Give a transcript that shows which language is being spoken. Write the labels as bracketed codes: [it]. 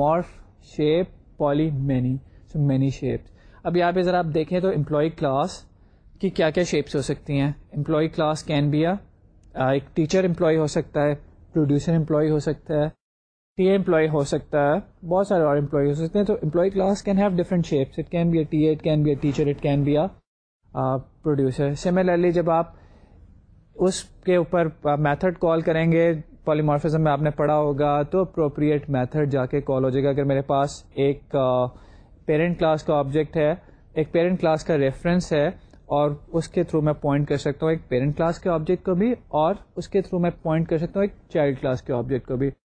[en] Morph shape, poly many, so many shapes. [ur] اب یہاں پہ ذرا آپ دیکھیں تو امپلائی کلاس کی کیا کیا شیپس ہو سکتی ہیں. امپلائی کلاس کین بی ایک ٹیچر امپلائی ہو سکتا ہے, پروڈیوسر امپلائی ہو سکتا ہے, ٹی امپلائی ہو سکتا ہے, بہت سارے اور امپلائی ہو سکتے ہیں. [en] تو employee class can have different shapes, it can be a T A, it can be a teacher, it can be a producer. [ur] Similarly جب آپ اس کے اوپر میتھڈ کال کریں گے پالیمارفزم میں آپ نے پڑھا ہوگا تو اپروپریٹ میتھڈ جا کے کال ہو جائے گا. اگر میرے پاس ایک پیرنٹ کلاس کا آبجیکٹ ہے, ایک پیرنٹ کلاس کا ریفرنس ہے, اور اس کے تھرو میں پوائنٹ کر سکتا ہوں ایک پیرنٹ کلاس کے آبجیکٹ کو بھی, اور اس کے تھرو میں پوائنٹ کر سکتا ہوں ایک چائلڈ کلاس کے آبجیکٹ کو بھی.